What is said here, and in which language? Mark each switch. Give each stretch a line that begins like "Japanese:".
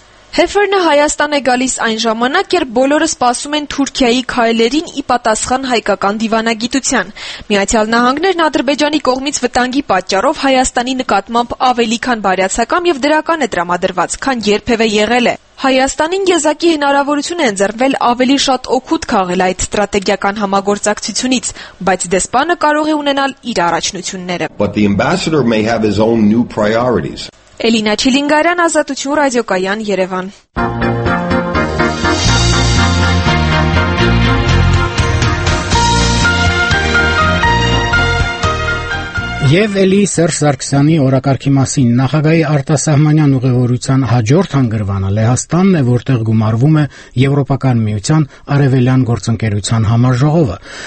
Armenian: Հեփֆերնը Հայաստան է գալիս այն ժամանակ, երբ բոլորը սպասում են Թուրքիայի քայլերին ի պատասխան հայկական դիվանագիտության։ Միացյալ Նահանգներն Ադրբեջանի կողմից վտանգի պատճառով Հայաստանի նկատմամբ ավելի քան բարյացակամ եւ դրական է տրամադրված, քան երբևէ եղել է։ Հայաստանին եզակի հնարավորություն է ընձեռվել ավելի շատ օգուտ քաղել այդ ստրատեգիական համագործակցությունից, բայց դեսպանը կարող է ունենալ իր առաջնությունները։
English: But the ambassador may have his own new priorities.
Armenian: Էլինա Չիլինգարյան, Ազատություն ռադիոկայան, Երևան։ Ռ Եվ էլի Սերժ Սարգսյանի օրակարգի մասին, նախագահի արտասահմանյան ուղևորության հաջորդ հանգրվանը Լեհաստանն է, որտեղ գումարվում է Եվրոպական միության արևելյան գործընկերության համաժողովը։